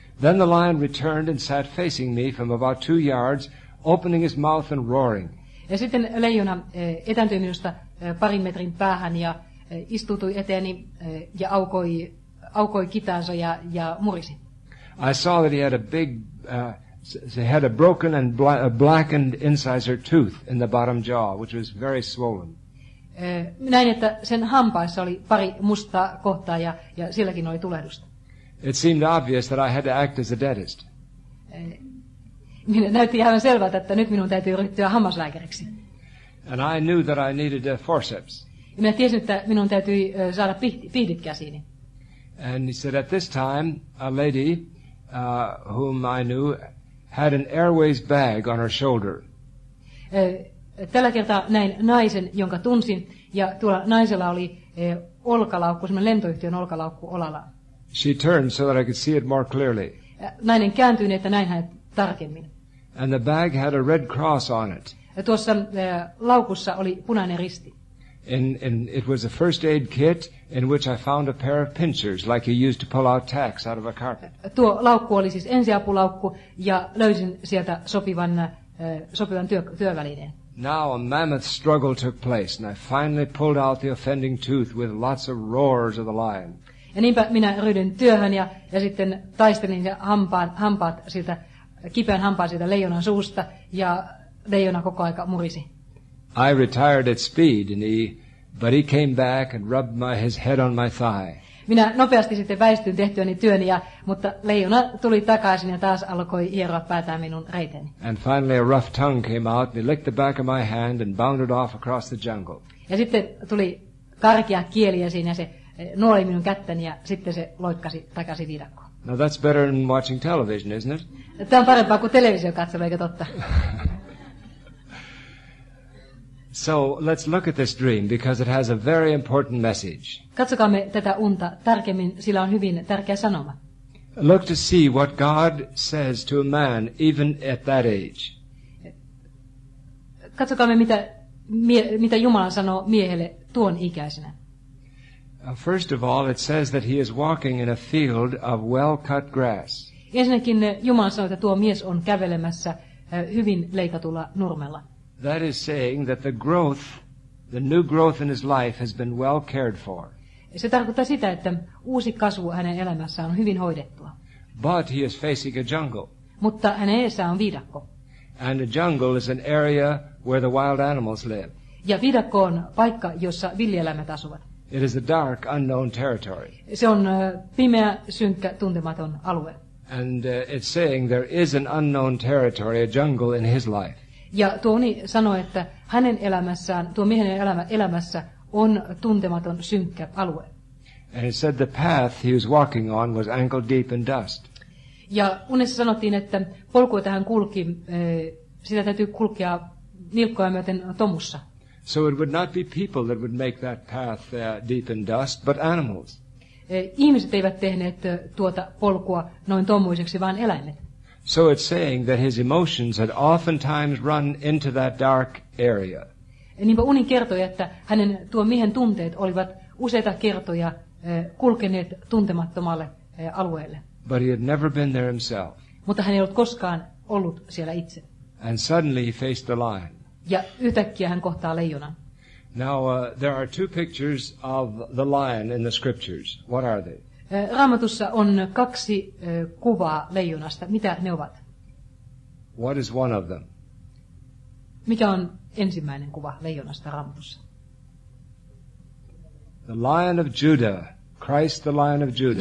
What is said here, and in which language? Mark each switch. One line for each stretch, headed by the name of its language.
English: Then the lion returned and sat facing me from about 2 yards, opening his mouth and roaring.
Finnish: Ja sitten leijona etääntyi minusta parin metrin päähän ja istutui eteeni ja aukoi kitaansa ja murisi.
English: I saw that he had a big he had a broken and blackened incisor tooth in the bottom jaw, which was very swollen.
Finnish: Näin, että sen hampaissa oli pari mustaa kohtaa ja sielläkin oli tulehdusta.
English: It seemed obvious that I had to act as a dentist.
Finnish: Minä näytti ihan selvältä, että nyt minun täytyy ryhtyä hammaslääkäriksi.
English: And I knew that I needed a forceps.
Finnish: Minä tiesin, että minun täytyi saada pihdit käsiini.
English: And he said, at this time, a lady whom I knew had an Airways bag on her shoulder.
Finnish: Tällä kertaa näin naisen, jonka tunsin, ja tuolla naisella oli olkalaukku, semmoinen lentoyhtiön olkalaukku olalla.
English: She turned so that I could see it more clearly.
Finnish: Nainen kääntyi, että näin hän tarkemmin.
English: And the bag had a red cross on it.
Finnish: Ja tuossa laukussa oli punainen risti.
English: And it was a first aid kit in which I found a pair of pincers like you used to pull out tacks out of a carpet.
Finnish: Tuo laukku oli siis ensiapulaukku ja löysin sieltä sopivan työvälineen.
English: Now a mammoth struggle took place and I finally pulled out the offending tooth with lots of roars of the lion.
Finnish: Ja niinpä minä ryhdyin työhön ja sitten taistelin hampaat siltä kipeän hampaan siltä leijonan suusta ja leijona koko aika murisi.
English: I retired at speed and he came back and rubbed his head on my thigh.
Finnish: Minä nopeasti sitten väistyin tehtyäni työni ja mutta leijona tuli takaisin ja taas alkoi hieroa päätään minun reiteni.
English: And finally a rough tongue came out and he licked the back of my hand and bounded off across the jungle.
Finnish: Ja sitten tuli karkea kieli ja siinä se nuoli minun kättäni ja sitten se loikkasi takaisin viidakkoon.
English: Now that's better than watching television, isn't it?
Finnish: Tämä on parempaa kuin television katselu, eikö totta?
English: So let's look at this dream because it has a very important message.
Finnish: Katsokaamme tätä unta tarkemmin, sillä on hyvin tärkeä sanoma.
English: Look to see what God says to a man even at that age.
Finnish: Katsokaamme mitä Jumala sanoo miehelle tuon ikäisenä.
English: First of all, it says that he is walking in a field of well-cut grass.
Finnish: Ensinnäkin Jumala sanoo, että tuo mies on kävelemässä hyvin leikatulla nurmella.
English: That is saying that the new growth in his life has been well cared for.
Finnish: Se tarkoittaa sitä, että uusi kasvu hänen elämässään on hyvin hoidettua.
English: But he is facing a jungle.
Finnish: Mutta hänen edessään on viidakko.
English: And a jungle is an area where the wild animals live.
Finnish: Ja viidakko on paikka, jossa villieläimet asuvat.
English: It is a dark, unknown territory.
Finnish: Se on pimeä, synkkä, tuntematon alue.
English: And it's saying there is an unknown territory, a jungle in his life.
Finnish: Ja Tony sanoi, että hänen elämässään, tuo miehen elämässä on tuntematon synkkä alue.
English: And he said the path he was walking on was ankle deep in dust.
Finnish: Ja unessa sanottiin, että polku, jota hän kulki, sitä täytyy kulkea nilkkoja myöten tomussa.
English: So it would not be people that would make that path deep in dust, but animals.
Finnish: Ihmiset eivät tehneet tuota polkua noin tommuiseksi, vaan eläimet.
English: So it's saying that his emotions had oftentimes run into that dark area.
Finnish: Niinpä uni kertoi, että hänen tuo miehen tunteet olivat useita kertoja kulkeneet tuntemattomalle alueelle.
English: But he had never been there himself.
Finnish: Mutta hän ei ollut koskaan ollut siellä itse.
English: And suddenly he faced the lion.
Finnish: Ja yhtäkkiä hän kohtaa leijonan.
English: Now there are two pictures of the lion in the scriptures. What are they?
Finnish: Raamatussa on kaksi kuvaa leijonasta. Mitä ne ovat?
English: What is one of them?
Finnish: Mikä on ensimmäinen kuva leijonasta Raamatussa?
English: The Lion of Judah, Christ the Lion of Judah.